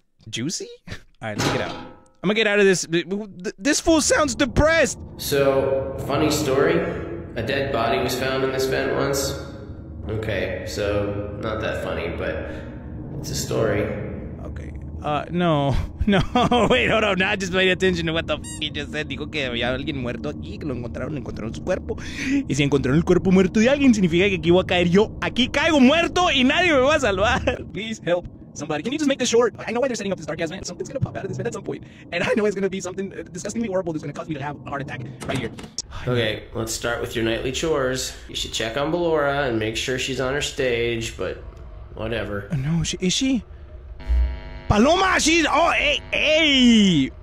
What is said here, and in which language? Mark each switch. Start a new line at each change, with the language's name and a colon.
English: Juicy? Alright, let's get out. I'm gonna get out of this. This fool sounds depressed. So, funny story. A dead body was found in this vent once. Okay, so not that funny, but it's a story. Okay. No. Wait, hold on. Not just paying attention to what the f*** he just said.
Spanish: Dijo que había alguien muerto aquí, que lo encontraron, encontraron su cuerpo. Y si encontraron el cuerpo muerto de alguien, significa que aquí voy a caer yo. Aquí caigo muerto y nadie me va a salvar.
English: Please help. Somebody, can you just make this short? I know why they're setting up this dark-ass vent. Something's gonna pop out of this vent at some point. And I know it's gonna be something disgustingly horrible that's gonna cause me to have a heart attack right here. Okay, let's start with your nightly chores. You should check on Ballora and make sure she's on her stage, but whatever. No, is she? Paloma, she's... Oh, hey!